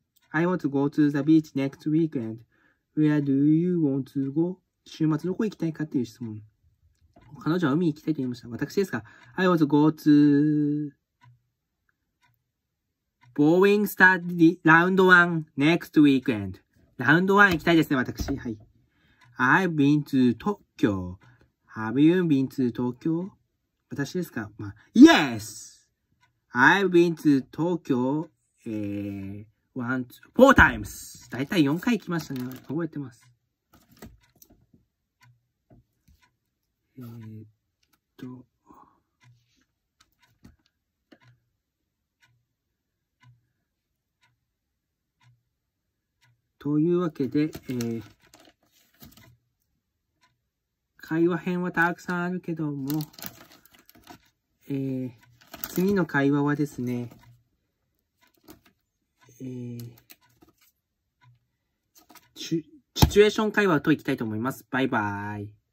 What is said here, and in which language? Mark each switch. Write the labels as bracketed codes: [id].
[en] I want to go to the beach next weekend. Where do you want to go? [ja] 週末どこ行きたいかっていう質問。彼女は海行きたいと言いました。私ですか [en] ?I want to go to Boeing Study Round 1 next weekend. [ja] ラウンド1行きたいですね、私。 [en] はい。I've been to Tokyo. Have you been to Tokyo? [ja] 私ですか、まあ、 [en] Yes! I've been to Tokyo, four times. [ja] だいたい4回行きましたね。覚えてます。というわけで、会話編はたくさんあるけども、次の会話はですね、シチュエーション会話といきたいと思います。バイバーイ。